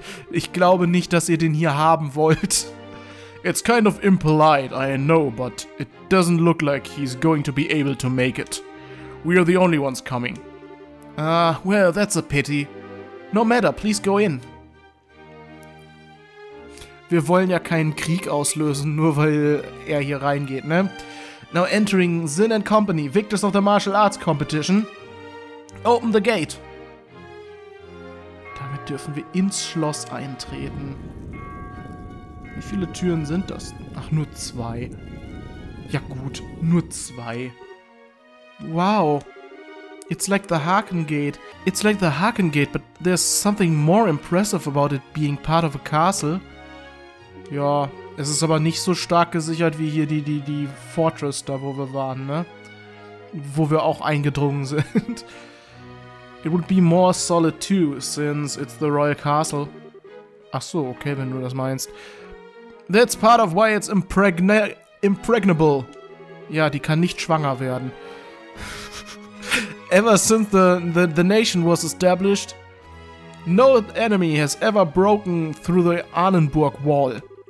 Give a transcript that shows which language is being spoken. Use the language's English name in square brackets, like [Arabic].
[German] Ich glaube nicht, dass ihr den hier haben wollt. [English] It's kind of impolite, I know, but it doesn't look like he's going to be able to make it. We are the only ones coming. Ah, well, that's a pity. No matter, please go in. [German] Wir wollen ja keinen Krieg auslösen, nur weil er hier reingeht, ne? [English] Now entering Zinn and Company, victors of the martial arts competition. Open the gate. [German] Damit dürfen wir ins Schloss eintreten. Wie viele Türen sind das? Ach, nur zwei. Ja gut, nur zwei. Wow. [English] It's like the Harken Gate. It's like the Harken Gate, but there's something more impressive about it being part of a castle. [German] Ja, es ist aber nicht so stark gesichert wie hier die Fortress da, wo wir waren, ne? Wo wir auch eingedrungen sind. [English] It would be more solid too, since it's the Royal Castle. [German] Ach so, okay, wenn du das meinst. [English] That's part of why it's impregnable. [German] Ja, die kann nicht schwanger werden. [English] Ever since the nation was established, no enemy has ever broken through the Arnhemburg Wall.